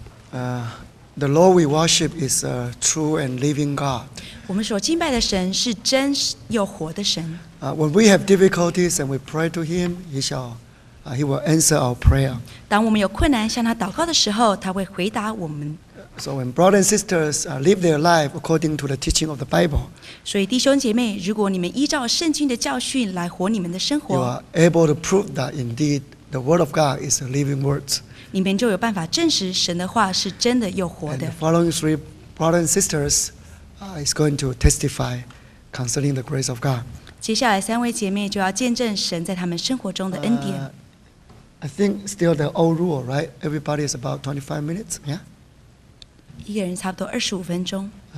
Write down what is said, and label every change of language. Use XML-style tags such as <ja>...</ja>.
<en>The Lord we worship is a true and living God.</en> <zh>我们所敬拜的神是真又活的神。</zh> <en>When we have difficulties and we pray to Him, He shall, He will answer our prayer.</en> <zh>当我们有困难向他祷告的时候，他会回答我们。</zh> <en>So when brothers and sisters live their life according to the teaching of the Bible,</en> <zh>所以弟兄姐妹，如果你们依照圣经的教训来活你们的生活</zh> <en>，you are able to prove that indeed the Word of God is a living word.</en> <zh>你们就有办法证实神的话是真的又活的。</zh> <en>And the following three brothers and sisters is going to testify concerning the grace of God.</en> <zh>接下来三位姐妹就要见证神在他们生活中的恩典。</zh> <en>I think still the old rule, right? Everybody is about 25 minutes, yeah?</en> <zh>一个人差不多二十五分钟。</zh>